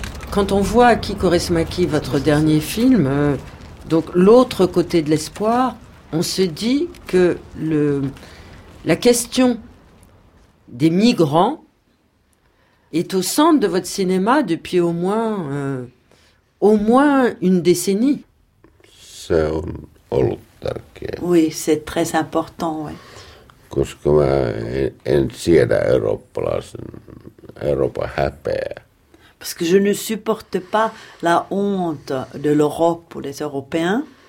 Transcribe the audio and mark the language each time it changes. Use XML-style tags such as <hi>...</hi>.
<fr>Quand on voit Aki Kaurismäki, votre dernier film, donc l'autre côté de l'espoir, on se dit que la question des migrants est au centre de votre cinéma depuis au moins une décennie.</fr> <fi>Se on ollut tärkeä.</fi> <fr>Oui, c'est très important, oui.</fr> <fi>Koska mä en siedä eurooppalaisen, Euroopan häpeä.</fi> <fr>Parce que je ne supporte pas la honte de l'Europe ou des Européens.</fr>